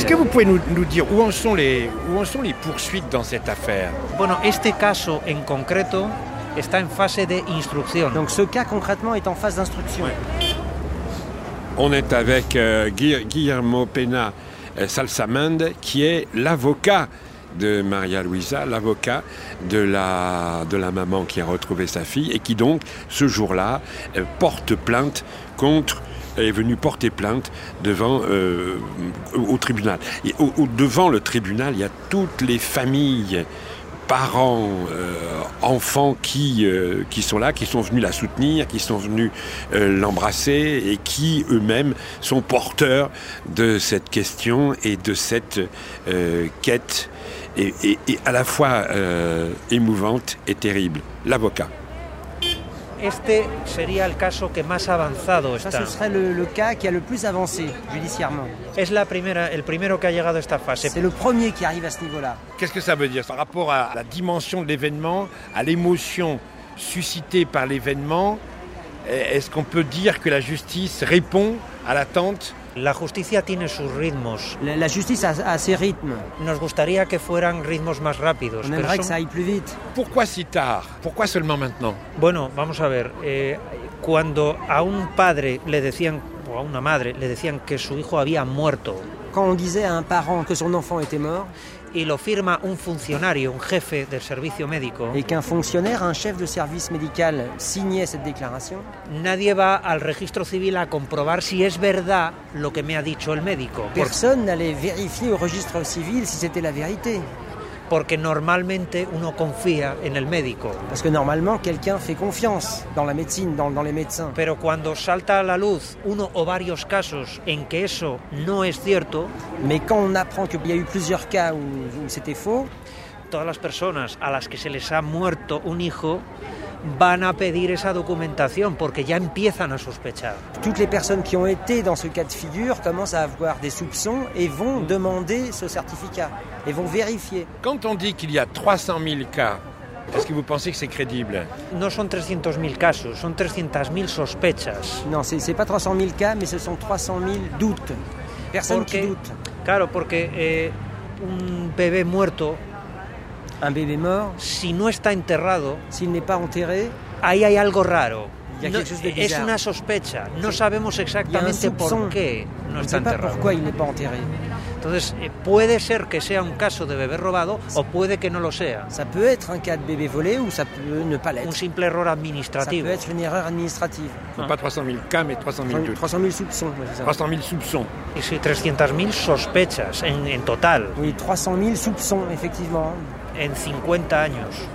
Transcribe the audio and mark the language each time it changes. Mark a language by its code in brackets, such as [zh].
[fr] Pouvez nous dire où en sont les poursuites dans cette affaire? [es] Bueno, este caso en concreto está en fase de instrucción. [fr] Donc ce cas concrètement est en phase d'instruction. Ouais. On est avec Guillermo Pena Salsamende, qui est l'avocat de Maria Luisa, l'avocat de la maman qui a retrouvé sa fille et qui donc, ce jour-là, porte plainte contre... est venu porter plainte devant au tribunal. Et devant le tribunal, il y a toutes les familles, parents, enfants qui sont là, qui sont venus la soutenir, qui sont venus l'embrasser et qui eux-mêmes sont porteurs de cette question et de cette quête et à la fois émouvante et terrible. L'avocat. [es] Este sería el caso que más avanzado está. [fr] Ça, ce serait le cas qui a le plus avancé judiciairement. [es] Es la primera, el primero que ha llegado a esta fase. [fr] C'est le premier qui arrive à ce niveau-là. Qu'est-ce que ça veut dire? Par rapport à la dimension de l'événement, à l'émotion suscitée par l'événement, est-ce qu'on peut dire que la justice répond à l'attente? [es] La justicia tiene sus ritmos. [fr] La justicia a ses rythmes. [es] Nos gustaría que fueran ritmos más rápidos. [fr] On aimerait que ça aille plus vite. Pourquoi si tard? Pourquoi seulement maintenant? [es] Bueno, vamos a ver. Cuando a un padre le decían, o a una madre, le decían que su hijo había muerto. [fr] Quand on disait à un parent que son enfant était mort. [es] Y lo firma un funcionario, un jefe del servicio médico. [fr] Et qu'un fonctionnaire, un chef de service médical, signait cette déclaration. [es] Nadie va al registro civil a comprobar si es verdad lo que me ha dicho el médico. [fr] Personne n'allait vérifier au registre civil si c'était la vérité. [es] Porque normalmente uno confía en el médico. [fr] Parce que normalement quelqu'un fait confiance dans la médecine, dans les médecins. [es] Pero cuando salta a la luz uno o varios casos en que eso no es cierto, [fr] mais quand on apprend qu'il y a eu plusieurs cas où c'était faux, [es] todas las personas a las que se les ha muerto un hijo van a pedir esa documentación porque ya empiezan a sospechar. [fr] Toutes les personnes qui ont été dans ce cas de figure commencent à avoir des soupçons et vont demander ce certificat et vont vérifier. Quand on dit qu'il y a 300 000 cas, est-ce que vous pensez que c'est crédible? [es] No son 300 000 casos, son 300 000 sospechas. [fr] Non, c'est pas 300 000 cas, mais ce sont 300 000 doutes. Personnes qui doutent. [es] Claro, porque un bébé muerto. [fr] Un bébé mort, [es] si no está enterrado, [fr] s'il n'est pas enterré, [es] ahí hay algo raro. No, es una sospecha. No sabemos exactamente por qué no está enterrado. [fr] Pourquoi il n'est pas enterré. [es] Entonces, puede ser que sea un caso de bebé robado o puede que no lo sea. [fr] Ça peut être un cas de bébé volé ou ça peut ne pas l'être. [es] Un simple error administrativo. [fr] Ça peut être une erreur administrative. Non, pas 300 000 cas, mais 300 000 doutes. 300 000 soupçons. 300 000 soupçons. Et c'est 300 000 [es] sospechas [fr] en total. Oui, 300 000 soupçons, effectivement. [es] En 50 años.